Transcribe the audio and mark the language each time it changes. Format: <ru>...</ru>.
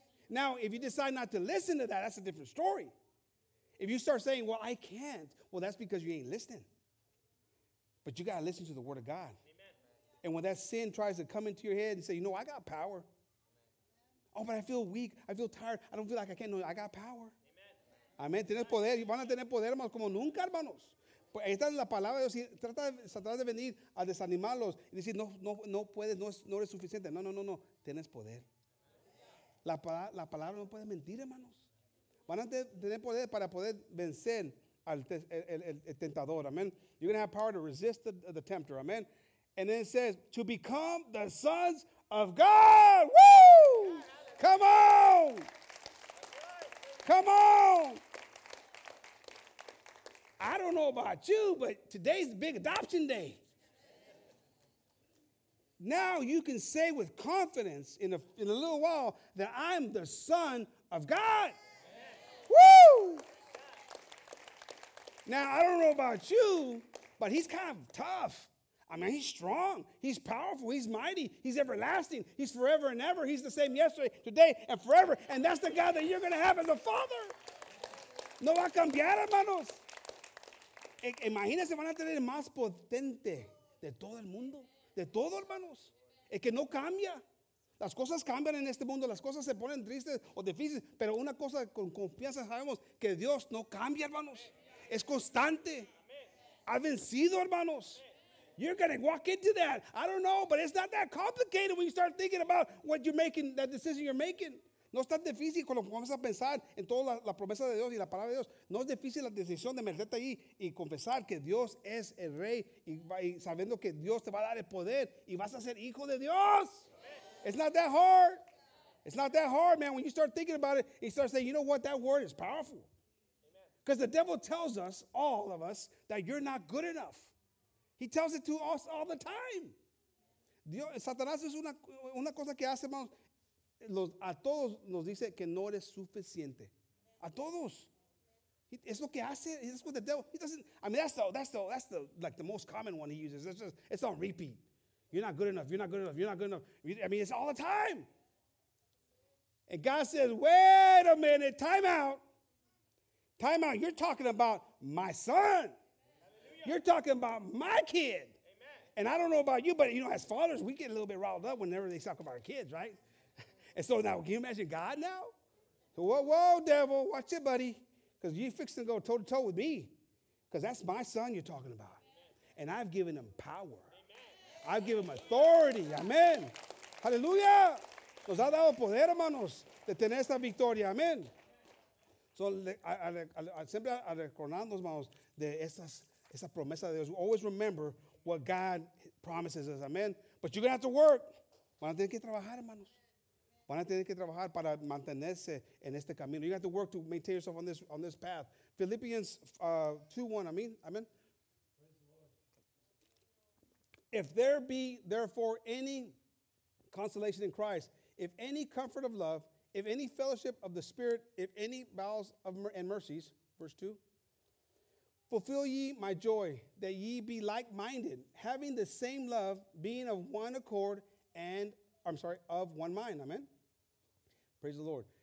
<en>Now, if you decide not to listen to that, that's a different story. If you start saying, well, I can't, well, that's because you ain't listening. But you got to listen to the word of God. Amen. And when that sin tries to come into your head and say, you know, I got power. Amen. Oh, but I feel weak. I feel tired. I don't feel like I can't. No, I got power.</en> <es>Amen. Tienes poder. Van a tener poder más como nunca, hermanos. Pues ahí está la palabra de Dios. Trata de venir a desanimarlos y decir, no puedes, no eres suficiente. No. Tienes poder. La palabra no puede mentir, hermanos. Van a tener poder para poder vencer al el tentador. Amen.</es> <en>You're going to have power to resist the tempter. Amen. And then it says, to become the sons of God. Woo! Come on! Come on! I don't know about you, but today's big adoption day. Now you can say with confidence in a little while that I'm the son of God. Woo! Now, I don't know about you, but he's kind of tough. I mean, he's strong. He's powerful. He's mighty. He's everlasting. He's forever and ever. He's the same yesterday, today, and forever. And that's the God that you're going to have as a father.</en> <es>No va a cambiar, hermanos. Imagínense, van a tener el más potente de todo el mundo. De todo, hermanos. El que no cambia. Las cosas cambian en este mundo. Las cosas se ponen tristes o difíciles. Pero una cosa con confianza sabemos que Dios no cambia, hermanos. Es constante. Ha vencido, hermanos.</es> <en>You're going to walk into that. I don't know, but it's not that complicated when you start thinking about what you're making, that decision you're making.</en> <es>No es tan difícil cuando comienzas a pensar en toda la promesa de Dios y la palabra de Dios. No es difícil la decisión de meterte ahí y confesar que Dios es el Rey y sabiendo que Dios te va a dar el poder y vas a ser hijo de Dios.</es> <en>It's not that hard. It's not that hard, man. When you start thinking about it, you start saying, you know what? That word is powerful. Because the devil tells us, all of us, that you're not good enough. He tells it to us all the time.</en> <es>Satanás es una cosa que hace, hermanos. A todos nos dice que no eres suficiente. A todos.</es> <en>It's</en> <es>lo que hace.</es> <en>It's what the devil. He doesn't. I mean, that's the like the most common one he uses. It's just it's on repeat. You're not good enough. You're not good enough. You're not good enough. I mean, it's all the time. And God says, "Wait a minute. Time out. Time out. You're talking about my son. Hallelujah. You're talking about my kid." Amen. And I don't know about you, but you know, as fathers, we get a little bit riled up whenever they talk about our kids, right? And so now, can you imagine God now? Whoa, devil, watch it, buddy. Because you're fixing to go toe-to-toe with me. Because that's my son you're talking about. Amen. And I've given him power. Amen. I've given him authority. Amen. Hallelujah.</en> <es>Nos ha dado poder, hermanos, de tener esta victoria. Amen. So, siempre a recordarnos, hermanos, de esa promesa de Dios.</es> <en>Always remember what God promises us. Amen. But you're going to have to work.</en> <es>Van a tener que trabajar, hermanos. Van a tener que trabajar para mantenerse en este camino.</es> <en>You have to work to maintain yourself on this path. Philippians 2:1. Amen. If there be therefore any consolation in Christ, if any comfort of love, if any fellowship of the Spirit, if any bowels of and mercies, verse 2, fulfill ye my joy, that ye be like-minded, having the same love, being of one accord, of one mind. Amen. Praise the Lord.</en>